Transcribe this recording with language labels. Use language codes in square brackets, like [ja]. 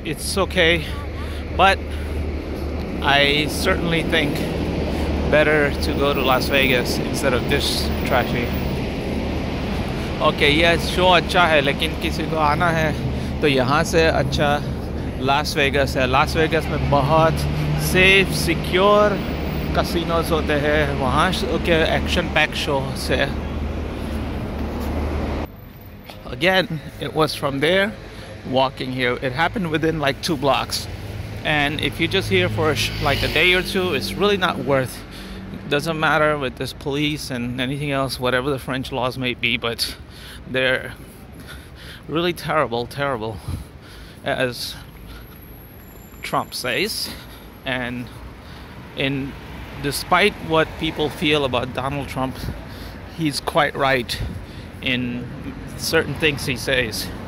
[en] It's okay, but I certainly think better to go to Las Vegas instead of this trashy. Okay, yeah, [hi] show acha hai, lekin kisi ko aana hai तो यहाँ से अच्छा Las Vegas है. Las Vegas में बहुत safe secure कैसिनोज होते हैं, वहाँ के एक्शन पैक शो से. [en] Again it was from there walking here, it happened with in like two blocks, and if you just here for like a day or two, it's really not worth. Doesn't matter with this police and anything else, whatever the French laws may be, but they're really terrible, as Trump says. And in despite what people feel about Donald Trump, he's quite right in certain things he says.